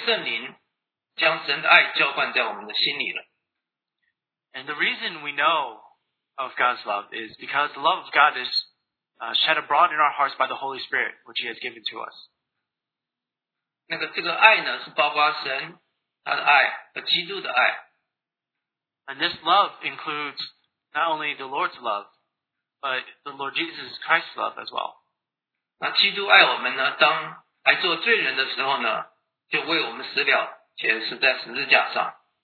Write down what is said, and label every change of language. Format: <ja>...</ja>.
<zh>那么我们之所以晓得神的爱呢，是因为所赐给我们的圣灵将神的爱浇灌在我们的心里了。</zh> <en>And the reason we know of God's love is because the love of God is shed abroad in our hearts by the Holy Spirit, which He has given to us.</en> <zh>这个爱呢，是包括神他的爱和基督的爱。</zh> <en>And this love includes not only the Lord's love, but the Lord Jesus Christ's love as well.</en> <zh>那基督爱我们呢，当还做罪人的时候呢，就为我们死了，且死在十字架上。</zh>